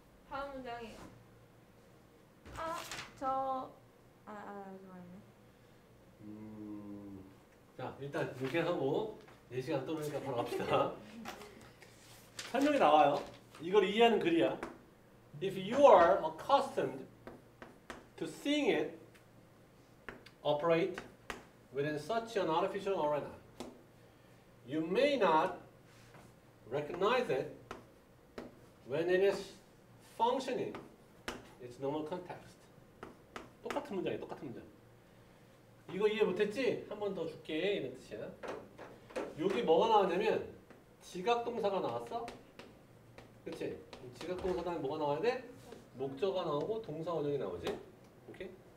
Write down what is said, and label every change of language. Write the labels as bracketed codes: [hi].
[ko] 다음 문장이에요. 아, 저... 아, 좋아요. 자, 일단 이렇게 하고 4시간 안 떠오르니까 바로 갑시다. 설명이 나와요. 이걸 이해하는 글이야. [en] If you are accustomed to seeing it operate within such an artificial arena, you may not recognize it when it is functioning its normal context. [ko] 똑같은 문장이야, 똑같은 문장. 이거 이해 못했지? 한 번 더 줄게, 이런 뜻이야. 여기 뭐가 나왔냐면 지각동사가 나왔어. 그렇지? 지각동사 다음에 뭐가 나와야 돼? 목적어가 나오고 동사원형이 나오지. 오케이?